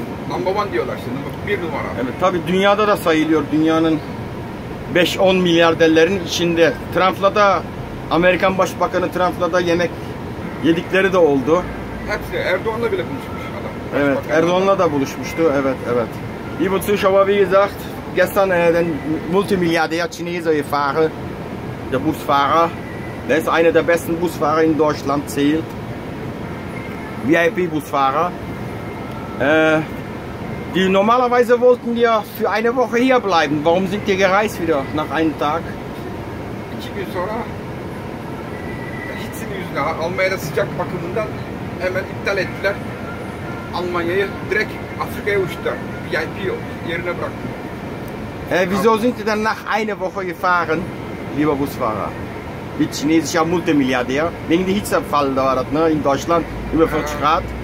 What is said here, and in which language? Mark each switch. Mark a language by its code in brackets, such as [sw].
[en] Number 1 [tr] diyorlar şimdi. Bir numara. Evet, tabii dünyada da sayılıyor. Dünyanın 5-10 milyarderlerin içinde. Trump'la da, Amerikan Başbakanı Trump'la da yemek yedikleri de oldu. Hepsi, Erdoğan'la bile buluşmuş adam. Evet, Erdoğan'la da buluşmuştu, evet, evet. [de] Liebe Zuschauer, wie gesagt, gestern den Multimilliardär Chinese gefahren, der Busfahrer. Der ist einer der besten Busfahrer in Deutschland, zählt. VIP-Busfahrer. Die normalerweise wollten ja für eine Woche hier bleiben. Warum sind die gereist wieder nach einem Tag? [tr] İki gün sonra hitzin yüzüne, Almanya'da sıcak bakımından hemen iptal ettiler. Almanya'yı direkt Afrika'ya uçtular. VIP yerine bıraktı. [de] Wieso sind die dann nach einer Woche gefahren, lieber Busfahrer? Bir chinesischer Multimilliardär. Wegen der Hitzefall da war das, ne? In Deutschland, über 40 Grad.